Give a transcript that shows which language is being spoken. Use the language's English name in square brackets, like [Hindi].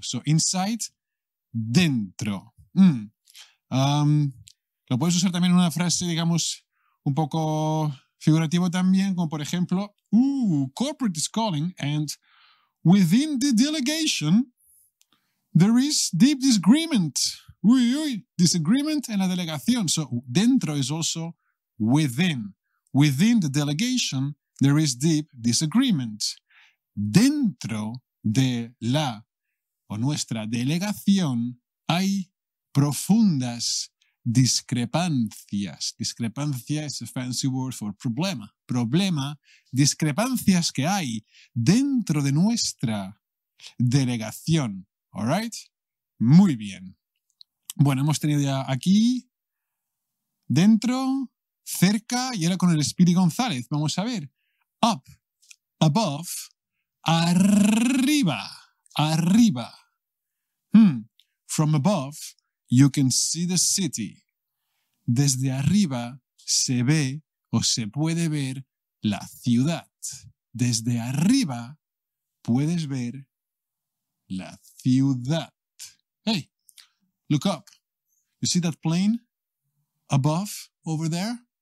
[English] So inside, [Spanish] dentro. Lo puedes usar también en una frase, digamos, un poco figurativo también, como por ejemplo, [English] corporate is calling and within the delegation there is deep disagreement. [Spanish] Disagreement en la delegación. [English] So dentro is also within. Within the delegation there is deep disagreement. [Spanish] Dentro de la o nuestra delegación hay profundas discrepancias. [English] Discrepancia is a fancy word for problema. [Spanish] Problema, discrepancias que hay dentro de nuestra delegación. [English] All right? [Spanish] Muy bien. Bueno, hemos tenido ya aquí, dentro, cerca, y ahora con el Speedy González. Vamos a ver. [English] Up, above, [Spanish] arriba, arriba. [English] From above, you can see the city. [Spanish] Desde arriba se ve o se puede ver la ciudad. Desde arriba puedes ver la ciudad. [English] Hey, look up. You see that plane above over there?